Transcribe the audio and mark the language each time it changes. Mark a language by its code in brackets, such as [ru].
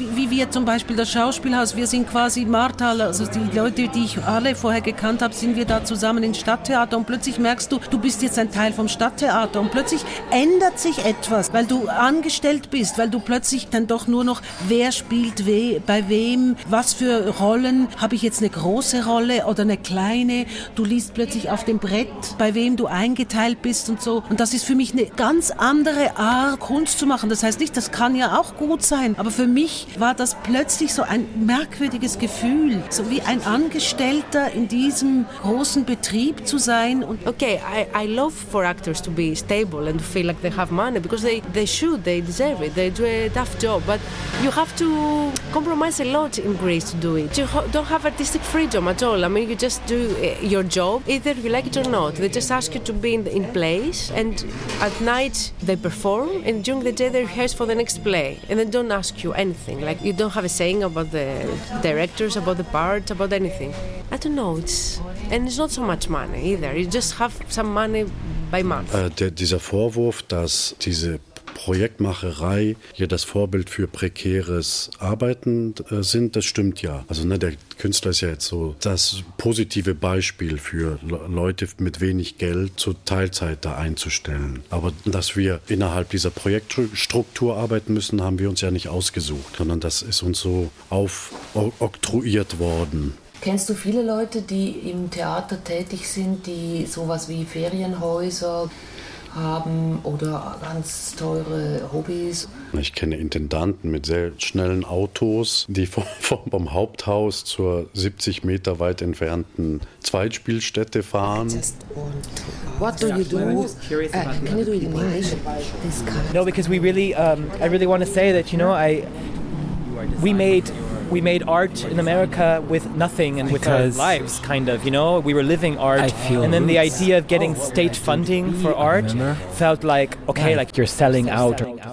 [de] Wie wir zum Beispiel das Schauspielhaus, wir sind quasi Marta, also die Leute, die ich alle vorher gekannt habe, sind wir da zusammen ins Stadttheater und plötzlich merkst du, du bist jetzt ein Teil vom Stadttheater und plötzlich ändert sich etwas, weil du angestellt bist, weil du plötzlich dann doch nur noch, wer spielt weh, bei wem, was für Rollen, habe ich jetzt eine große Rolle oder eine kleine, du liest plötzlich auf dem Brett, bei wem du eingeteilt bist und so. Und das ist für mich eine ganz andere Art, Kunst zu machen. Das heißt nicht, das kann ja auch gut sein, aber für mich war das plötzlich so ein merkwürdiges Gefühl, so wie ein Angestellter in diesem großen Betrieb zu sein. Und [en] okay, I love for actors to be stable and feel like they have money, because they deserve it, they do a tough job, but you have to compromise a lot in Greece to do it. You don't have artistic freedom at all. I mean, you just do your job. Either you like it or not, they just ask you to be in place, and at night they perform, and during the day they rehearse for the next play, and they don't ask you anything. Like, you don't have a saying about the directors, about the part, about anything. I don't know, and it's not so much money either. You just have some money by month. [de] Dieser Vorwurf, dass diese Projektmacherei hier das Vorbild für prekäres Arbeiten sind, das stimmt ja. Also ne, der Künstler ist ja jetzt so das positive Beispiel für Leute mit wenig Geld zur Teilzeit da einzustellen. Aber dass wir innerhalb dieser Projektstruktur arbeiten müssen, haben wir uns ja nicht ausgesucht, sondern das ist uns so oktroyiert worden. Kennst du viele Leute, die im Theater tätig sind, die sowas wie Ferienhäuser haben oder ganz teure Hobbys. Ich kenne Intendanten mit sehr schnellen Autos, die vom Haupthaus zur 70 Meter weit entfernten Zweitspielstätte fahren. [en] What do you do? Can you do it in English? No, because we really, I really want to say that, you know, we made art in America with nothing and with our lives, kind of, you know? We were living art. I feel and then the idea of getting state funding for art felt like, okay, like you're selling out.